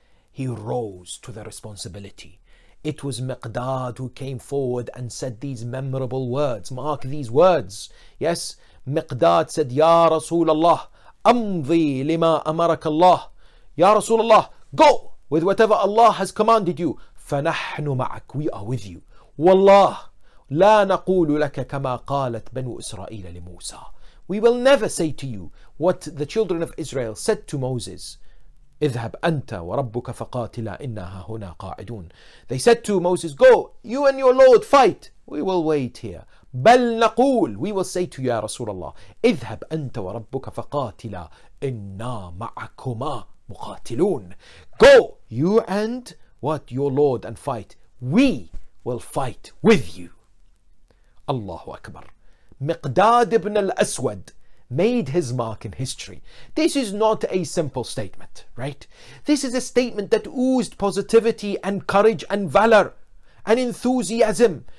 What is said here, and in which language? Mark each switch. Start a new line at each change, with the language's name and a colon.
English: He rose to the responsibility. It was Miqdad who came forward and said these memorable words. Mark these words. Yes, Miqdad said,
Arabic: Ya Rasulallah, amdi lima amarak Allah.
English: Ya Rasulallah, go with whatever Allah has commanded you,
Arabic: فَنَحْنُ مَعَكْ,
English: we are with you.
Arabic: وَاللَّهُ لَا نَقُولُ لَكَ كَمَا قَالَتْ بَنُوا إِسْرَائِيلَ لِمُوسَى,
English: we will never say to you what the children of Israel said to Moses,
Arabic: اذهب أنت وربك فقاتلا إنا هنا قاعدون.
English: They said to Moses, go, you and your Lord fight, we will wait here.
Arabic: بل نقول,
English: we will say to you,
Arabic: يا رسول الله, اذهب أنت وربك فقاتلا إنا معكما مقاتلون.
English: Go, you and what, your Lord, and fight, we will fight with you.
Arabic: الله أكبر.
English: Miqdad ibn al-Aswad made his mark in history. This is not a simple statement, right? This is a statement that oozed positivity and courage and valor and enthusiasm.